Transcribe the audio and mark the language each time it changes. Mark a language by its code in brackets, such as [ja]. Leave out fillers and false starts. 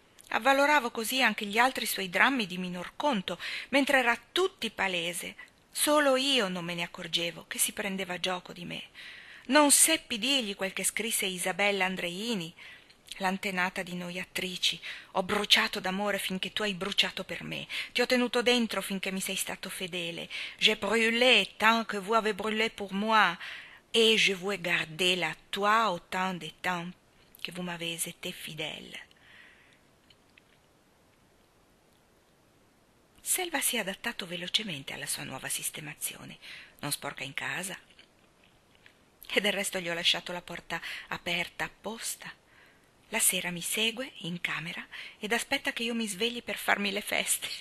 [it] Avvaloravo così anche gli altri suoi drammi di minor conto, mentre era tutti palese. Solo io non me ne accorgevo che si prendeva gioco di me. Non seppi dirgli quel che scrisse Isabella Andreini, l'antenata di noi attrici. Ho bruciato d'amore finché tu hai bruciato per me. Ti ho tenuto dentro finché mi sei stato fedele. [fr] J'ai brûlé tant que vous avez brûlé pour moi. Et je vous ai gardé la toi autant de temps que vous m'avez été fidèle. [it] Selva si è adattato velocemente alla sua nuova sistemazione. Non sporca in casa. E del resto gli ho lasciato la porta aperta apposta. La sera mi segue in camera ed aspetta che io mi svegli per farmi le feste.